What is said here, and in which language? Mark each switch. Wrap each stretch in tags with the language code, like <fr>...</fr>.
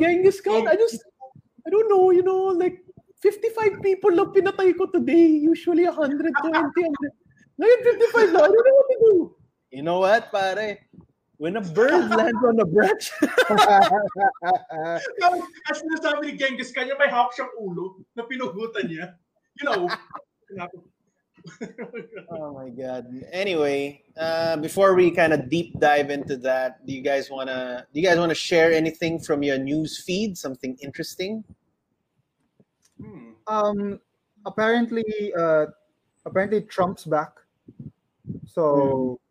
<en>Genghis Khan, I don't know, you know, like 55 people</en> <tl>lang pinatay ko</tl> <en>today, usually 120.</en> <tl>Ngayon 55 lang,</tl> <en>I don't know what to do. You know what,</en> <tl>pare?</tl> <en>When a bird lands on a branch.</en> <tl>As sinasabi ni Genghis Khan, may hawak siyang ulo na pinugutan niya.</tl> <en>You know, oh my god. Anyway, before we kind of deep dive into that, do you guys want to share anything from your news feed, something interesting? Apparently Trump's back. So,</en>